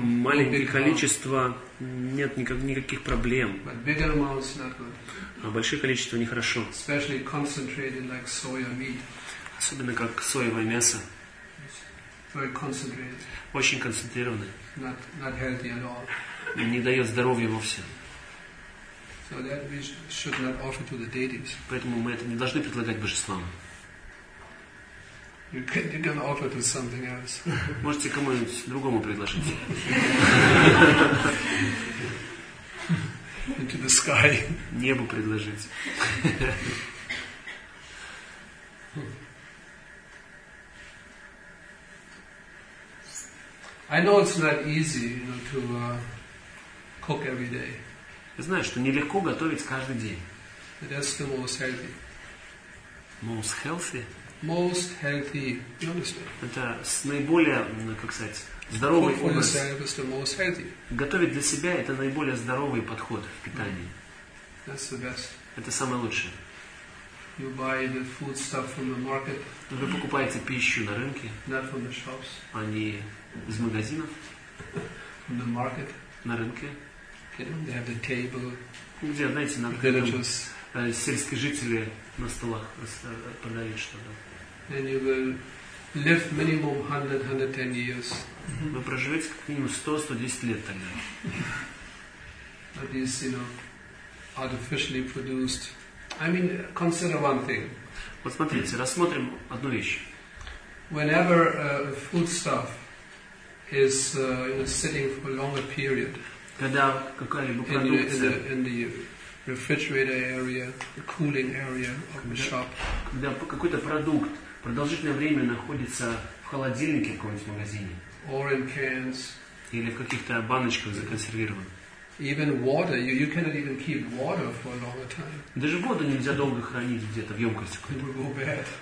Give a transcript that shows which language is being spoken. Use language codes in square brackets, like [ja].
[ru] Маленькое количество, нет никаких проблем. [en] But bigger amounts, not good. [ru] А большое количество нехорошо. [en] Especially concentrated like soya meat. [ru] Особенно как соевое мясо. [en] Very concentrated. [ru] Очень концентрированное. [en] Not healthy at all. [ru] Не дает здоровья вовсе. [en] So that we should not offer to the deities. [ru] Поэтому мы это не должны предлагать божествам. [en] You can offer to something else. [ru] Можете кому-нибудь другому предложить. [en] Into the sky. [ru] Небу предложить. [en] I know it's not easy, you know, to cook every day. [ru] Я знаю, что нелегко готовить каждый день. [en] That's the most healthy. Most healthy? Most healthy, you understand? [ru] Это с наиболее, как сказать, здоровый [en] for [ru] образ. [en] Yourself is the most healthy. [ru] Готовить для себя – это наиболее здоровый подход в питании. [en] That's the best. [ru] Это самое лучшее. [en] You buy the food stuff from the market. [ru] Вы покупаете пищу на рынке. [en] Not from the shops. [ru] А не из магазинов. [en] From the market. [ru] На рынке. [en] They have the table. [ru] Где, знаете, на [en] villages. [ru] Сельские жители на столах продают что-то. [en] And you will live minimum 100-110 years. [ru] Вы проживете как минимум 100-110 лет тогда. [en] But this, you know, artificially produced. I mean, consider one thing. [ru] Вот смотрите, рассмотрим одну вещь. [en] Whenever foodstuff is sitting for a longer period. [ru] Когда какая-либо продукция [en] in the refrigerator area, the cooling area of the shop. [ru] Когда какой-то продукт продолжительное время находится в холодильнике в каком-нибудь магазине. [en] Or in cans. [ru] Или в каких-то баночках законсервирован. [en] Even water, you cannot even keep water for a longer time. [ru] Даже воду нельзя долго хранить где-то в емкости. [en] It will go bad.